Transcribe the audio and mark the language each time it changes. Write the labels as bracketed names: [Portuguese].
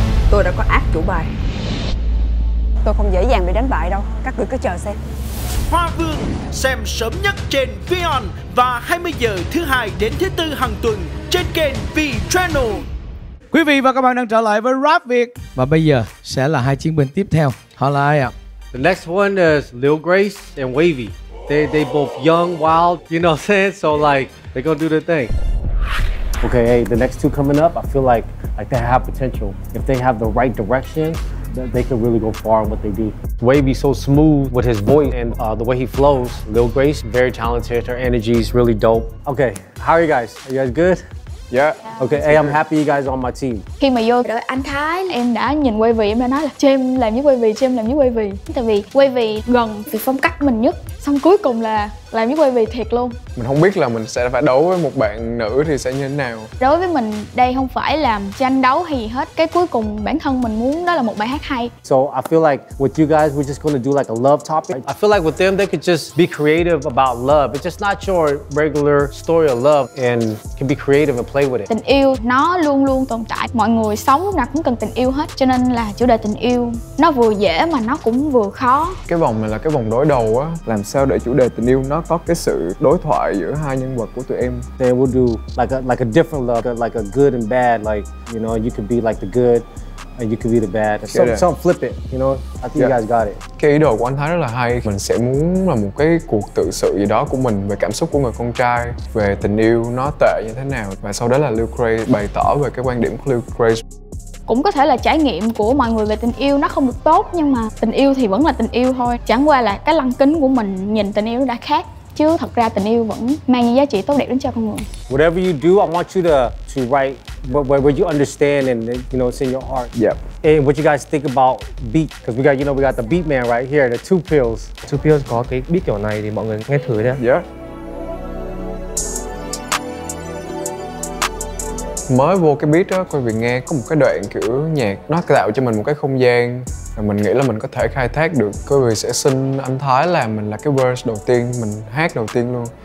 [Vietnamese] Tôi đã có ác chủ bài. Tôi không dễ dàng bị đánh bại đâu. Các người cứ chờ xem. Hoa Vương xem sớm nhất trên Vion và 20 giờ thứ hai đến thứ tư hàng tuần trên kênh V Channel. Quý vị và các bạn đang trở lại với Rap Việt. Và bây giờ sẽ là hai chiến binh tiếp theo. Họ là ai ạ? [English] The next one is Lil Grace and Wavy. They both young, wild, you know what I'm saying? So like, they gonna do their thing. Okay, hey, the next two coming up, I feel like they have potential. If they have the right direction, they can really go far in what they do. Wavy's so smooth with his voice and the way he flows. Lil Grace, very talented. Her energy is really dope. Okay, how are you guys? Are you guys good? Yeah. Okay, hey, I'm happy you guys are on my team. [Vietnamese] Khi mà vô đợi anh Thái, em đã nhìn Wavy, em đã nói là Jim làm với Wavy, Jim làm với Wavy. Tại vì Wavy gần về phong cách mình nhất. Xong cuối cùng là làm với Wavy thiệt luôn. Mình không biết là mình sẽ phải đấu với một bạn nữ thì sẽ như thế nào. Đối với mình, đây không phải là tranh đấu gì hết. Cái cuối cùng bản thân mình muốn đó là một bài hát hay. [English] So I feel like with you guys, we're just gonna do like a love topic. I feel like with them, they could just be creative about love. It's just not your regular story of love and can be creative and play with it. [Vietnamese] Tình yêu nó luôn luôn tồn tại. Mọi người sống lúc nào cũng cần tình yêu hết. Cho nên là chủ đề tình yêu nó vừa dễ mà nó cũng vừa khó. Cái vòng này là cái vòng đối đầu á. Làm sao để chủ đề tình yêu nó có cái sự đối thoại giữa hai nhân vật của tụi em. [English] They will do like a different love, like a good and bad, like, you know, you could be like the good and you could be the bad. Some flip it, you know, I think you guys got it. [Vietnamese] Cái ý đồ của anh Thái rất là hay. Mình sẽ muốn là một cái cuộc tự sự gì đó của mình về cảm xúc của người con trai, về tình yêu nó tệ như thế nào. Và sau đó là Lil Grace bày tỏ về cái quan điểm của Lil Grace. Cũng có thể là trải nghiệm của mọi người về tình yêu nó không được tốt, nhưng mà tình yêu thì vẫn là tình yêu thôi. Chẳng qua là cái lăng kính của mình nhìn tình yêu nó đã khác, chứ thật ra tình yêu vẫn mang những giá trị tốt đẹp đến cho con người. [English] Whatever you do, I want you to write where you understand and, you know, it's in your heart. Yep. And what you guys think about beat, because we got, you know, we got the beat man right here, the two pills. [Vietnamese] Two pills có cái beat kiểu này thì mọi người nghe thử đi. [English] Yeah. [Vietnamese] Mới vô cái beat á, quý vị nghe có một cái đoạn kiểu nhạc nó tạo cho mình một cái không gian mà mình nghĩ là mình có thể khai thác được. Quý vị sẽ xin anh Thái làm mình là cái verse đầu tiên, mình hát đầu tiên luôn.